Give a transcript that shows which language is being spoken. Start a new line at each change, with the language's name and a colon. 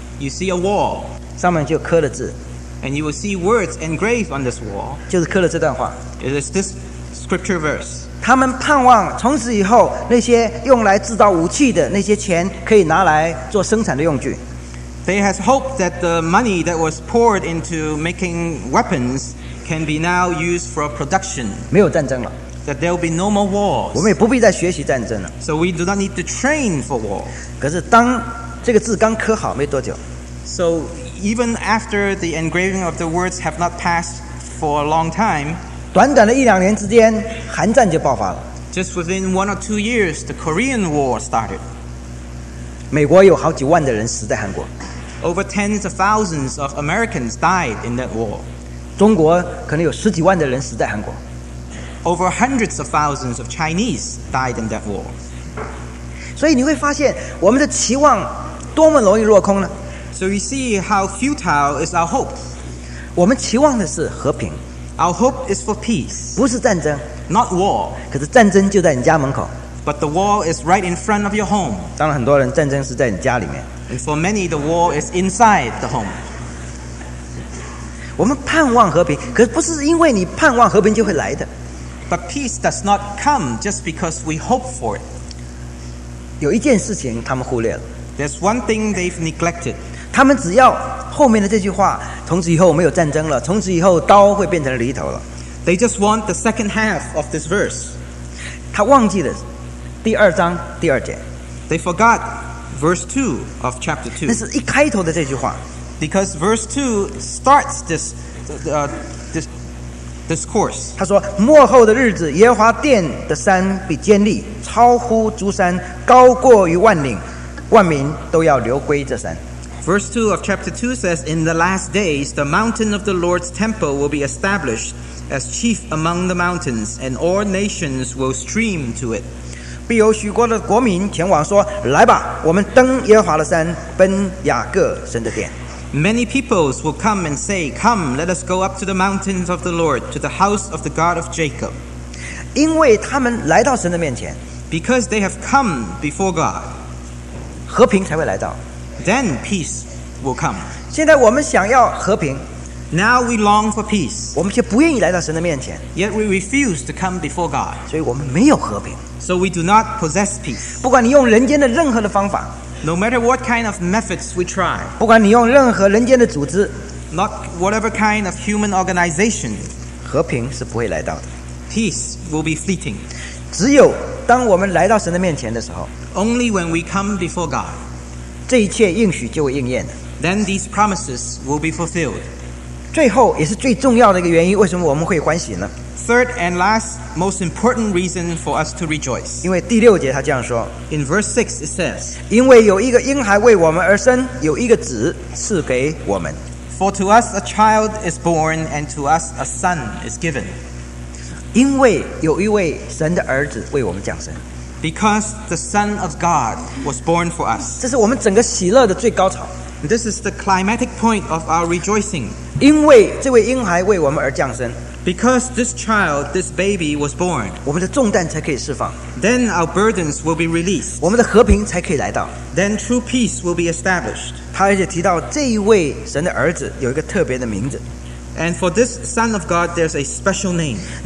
English: ，You see a wall，
Chinese: 上面就刻了字
English: ，And you will see words engraved on this wall，
Chinese: 就是刻了这段话
English: ，It is this scripture verse。
Chinese: 他们盼望从此以后那些用来制造武器的那些钱可以拿来做生产的用具。
English: They had hoped that the money that was poured into making weapons can be now used for production.
Chinese: 没有战争了。
English: That there will be no more wars.
Chinese: 我们也不必再学习战争了。
English: So we do not need to train for war.
Chinese: 可是当这个字刚刻好没多久。
English: So even after the engraving of the words have not passed for a long time,
Chinese: 短短的一两年之间，韩战就爆发了。
English: Just within one or two years, the Korean War started.
Chinese: 美国有好几万的人死在韩国。
English: Over tens of thousands of Americans died in that war.
Chinese: 中国可能有十几万的人死在韩国。
English: Over hundreds of thousands of Chinese died in that war.
Chinese: 所以你会发现我们的期望多么容易落空呢？
English: So you see how futile is our hope.
Chinese: 我们期望的是和平。
English: Our hope is for peace.
Chinese: 不是战争。
English: Not war.
Chinese: 可是战争就在你家门口。
English: But the wall is right in front of your home.
Chinese: 当然很多人战争是在你家里面。
English: And for many, the wall is inside the home.
Chinese: 我们盼望和平，可不是因为你盼望和平就会来的。
English: But peace does not come just because we hope for it.
Chinese: 有一件事情他们忽略了。
English: There's one thing they've neglected.
Chinese: 他们只要后面的这句话，从此以后没有战争了，从此以后刀会变成犁头了。
English: They just want the second half of this verse.
Chinese: 他忘记了。第二章第二节
English: They forgot verse 2 of chapter 2.
Chinese: 那是一开头的这句话
English: Because verse 2 starts this, this discourse.
Chinese: 他说, 末后的日子, 耶和华殿的山必建立, 超乎诸山, 高过于万岭, 万民都要留归这山。
English: Verse 2 of chapter 2 says, In the last days, the mountain of the Lord's temple will be established as chief among the mountains, and all nations will stream to it.
Chinese: 必有许多的国民前往说, 来吧, 我们登耶和华的山,
English: Many peoples will come and say, Come, let us go up to the mountains of the Lord, to the house of the God of Jacob.
Chinese: 因为他们来到神的面前,
English: because they have come before God,
Chinese: 和平才会来到,
English: then peace will come.
Chinese: 现在我们想要和平,
English: now we long for peace,
Chinese: 我们却不愿意来到神的面前,
English: yet we refuse to come before God.
Chinese: 所以我们没有和平,
English: so we do not possess peace.
Chinese: 不管你用人间的任何的方法,
English: No matter what kind of methods we try,
Chinese: 不管你用任何人间的组织,
English: not whatever kind of human organization,
Chinese: 和平是不会来到的,
English: peace will be fleeting.
Chinese: 只有当我们来到神的面前的时候,
English: only when we come before God,
Chinese: 这一切应许就会应验,
English: then these promises will be fulfilled.
Chinese: 最后也是最重要的一个原因为什么我们会欢喜呢?
English: Third and last most important reason for us to rejoice.
Chinese: 因为第六节他这样说,
English: In verse 6 it says,
Chinese: 因为有一个婴孩为我们而生, 有一个子赐给我们。
English: For to us a child is born and to us a son is given.
Chinese: 因为有一位神的儿子为我们降生。
English: Because the Son of God was born for us.
Chinese: 这是我们整个喜乐的最高潮。
English: This is the climatic point of our rejoicing.
Chinese: 因为这位婴孩为我们而降生。
English: Because this child, this baby was born, then our burdens will be released. Then true peace will be established. And for this Son of God, there's a special name.